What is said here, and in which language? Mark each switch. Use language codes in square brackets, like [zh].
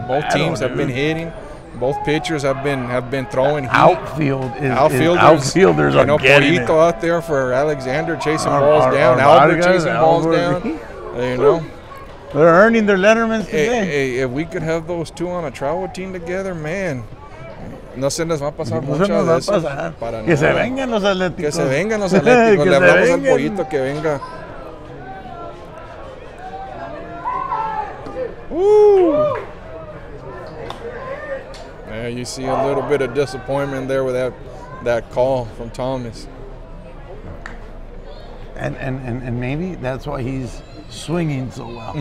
[en] Both teams have been hitting. Both pitchers have been throwing heat. Outfielders are getting it. You know, Polito out there for Alexander chasing balls down. Albert chasing balls down. You know. They're earning their Lettermans today. Hey, if we could have those two on a travel team together, man. [es] No se nos va a pasar mucho de eso. Que se vengan los Atléticos. Que se vengan los Atléticos. Le hablamos al Pollito que venga. [en] Yeah, you see a little bit of disappointment there with that call from Thomas. And maybe that's why he's swinging so well.